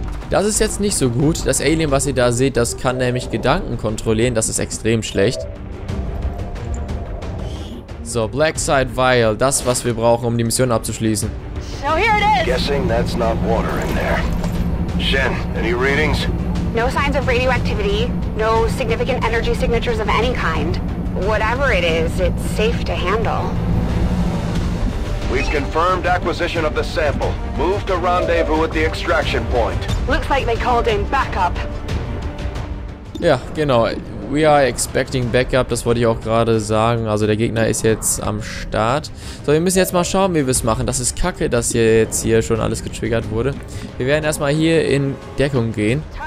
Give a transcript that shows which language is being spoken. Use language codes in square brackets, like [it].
[de] Das ist jetzt nicht so gut. Das Alien, was ihr da seht, das kann nämlich Gedanken kontrollieren. Das ist extrem schlecht. So, Blackside Vial, das, was wir brauchen, um die Mission abzuschließen. [en] So, here it is. Guessing that's not water in there. Shen, any readings? No signs of radioactivity, no significant energy signatures of any kind. Whatever it is, it's safe to handle. We've confirmed acquisition of the sample. Move to rendezvous at the extraction point. Looks like they called in backup. [de] Ja, genau. [en] We are expecting backup, [de] das wollte ich auch gerade sagen. Also der Gegner ist jetzt am Start. So, wir müssen jetzt mal schauen, wie wir es machen. Das ist kacke, dass hier jetzt hier schon alles getriggert wurde. Wir werden erstmal hier in Deckung gehen.